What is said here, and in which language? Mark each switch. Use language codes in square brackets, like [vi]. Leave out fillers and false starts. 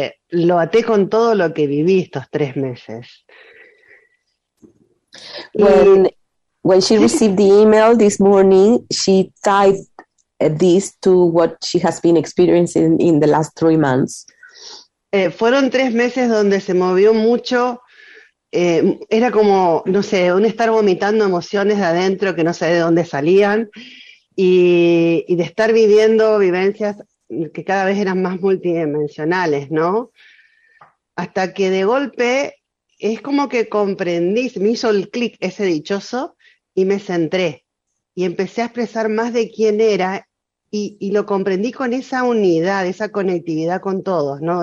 [es] Lo até con todo lo que viví estos 3 meses. [en] When she received the email this morning, she tied this to what she has been experiencing in the last 3 months. [es] Fueron 3 meses donde se movió mucho. Era como, no sé, un estar vomitando emociones de adentro que no sé de dónde salían y de estar viviendo vivencias que cada vez eran más multidimensionales, ¿no? Hasta que de golpe es como que comprendí, me hizo el clic ese dichoso y me centré y empecé a expresar más de quién era y lo comprendí con esa unidad, esa conectividad con todos, ¿no?